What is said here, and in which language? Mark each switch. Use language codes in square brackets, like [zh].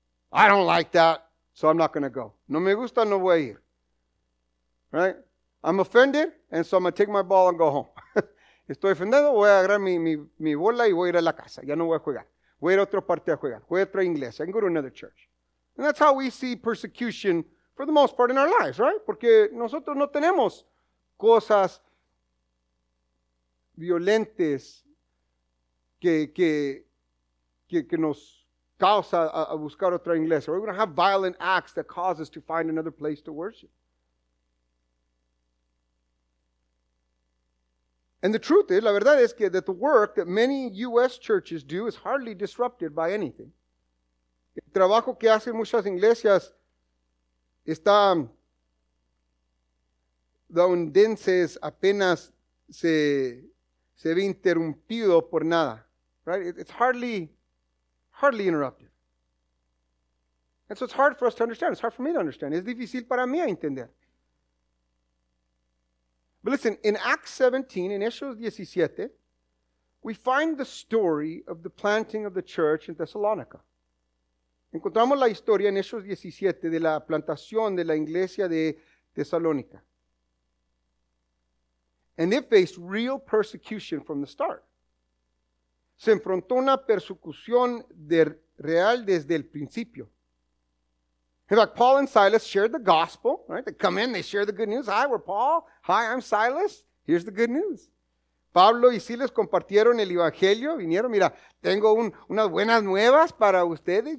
[en] I don't like that, so I'm not going to go. [es] No me gusta, no voy a ir. [en] Right? I'm offended, and so I'm going to take my ball and go home. [es] Estoy ofendido, voy a agarrar mi bola y voy a ir a la casa. Ya no voy a jugar. Voy a ir a otra parte a jugar. Voy a otra iglesia. [en] I can go to another church. And that's how we see persecution for the most part in our lives, right? [es] Porque nosotros no tenemos cosas violentas que nos causa a buscar otra iglesia. [en] We don't have violent acts that cause us to find another place to worship. And the truth is, [es] la verdad es que [en] that the work that many U.S. churches do is hardly disrupted by anything. [es] El trabajo que hacen muchas iglesias estadounidenses apenas se ve interrumpido por nada. [en] Right? It's hardly interrupted. And so it's hard for us to understand. It's hard for me to understand. [es] Es difícil para mí entender. [en] But listen, in Acts 17, in Hechos 17, we find the story of the planting of the church in Thessalonica. [es] Encontramos la historia en Hechos 17 de la plantación de la iglesia de Tesalónica. [en] And they faced real persecution from the start. [es] Se enfrentó una persecución real desde el principio. [en] In fact, Paul and Silas shared the gospel, right? They come in, they share the good news. Hi, we're Paul. Hi, I'm Silas. Here's the good news. [es] Pablo y Silas compartieron el evangelio, vinieron, mira, tengo unas buenas nuevas para ustedes.